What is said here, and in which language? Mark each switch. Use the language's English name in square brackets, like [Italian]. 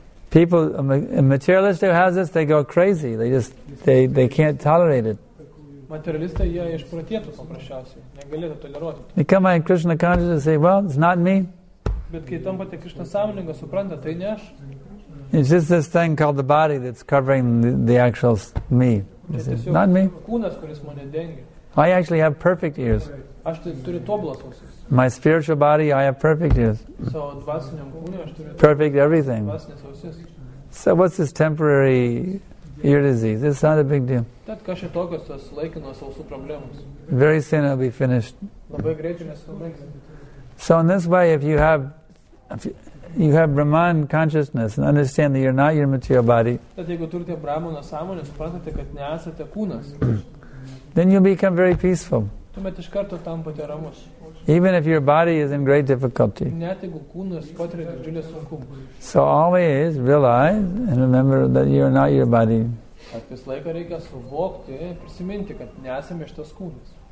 [English] People, a materialist who has this, they go crazy. They just, they can't tolerate it. [Lithuanian] Materialistai, jie išprotėtų paprasčiausiai. Negalėtų toleruoti. [English] They come by Krishna consciousness and say, well, it's not me. [Lithuanian] Bet kai tampate Krishna sąmoningą, supranta, tai ne aš. [English] It's just this thing called the body that's covering the actual me. Not me. [Lithuanian] Kūnas, kuris mane dengia. [English] I actually have perfect ears. [Lithuanian] Aš turiu tobulas ausis. [English] My spiritual body, I have perfect ears. [Lithuanian] So, dvasiniam kūnui, aš turiu [English] perfect everything. So what's this temporary ear disease? It's not a big deal. [Lithuanian] Tad kas čia tokios tos laikinos ausų problemos? [English] Very soon it'll be finished. [Lithuanian] Labai greitai mes pabaigsime. [English] So in this way, if you have Brahman consciousness and understand that you're not your material body, [Lithuanian] tad jeigu turite Brahmano sąmonę, suprantate, kad nesate kūnas, [English] then you become very peaceful. [Lithuanian] Tuomet iš karto tampate ramus. [English] Even if your body is in great difficulty. [Lithuanian] Net jeigu kūnas patiria didžiulę sunkumą. [English] So always realize and remember that you are not your body. [Lithuanian] Kad vis laiką reikia suvokti, prisiminti, kad nesame šitas kūnas.